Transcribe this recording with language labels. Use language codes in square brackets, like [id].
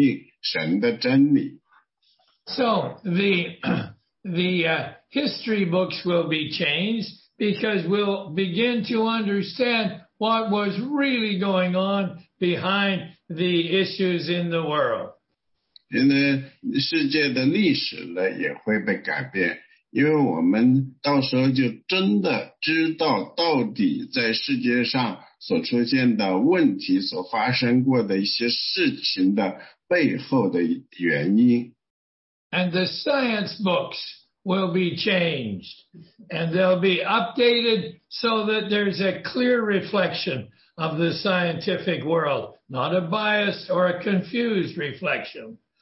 [zh] 你在那个所有的大学里的那些课本呢,都将会被更改,更改来反映神的真理。 [en] So, the history books will be changed because we'll begin to understand what was really going on behind the issues in the world. [zh] 因为世界的历史呢,也会被改变。因为我们到时候就真的知道到底在世界上所出现的问题所发生过的一些事情的背后的原因。 [en] And the science books will be changed, and they'll be updated so that there's a clear reflection of the scientific world, not a biased or a confused reflection.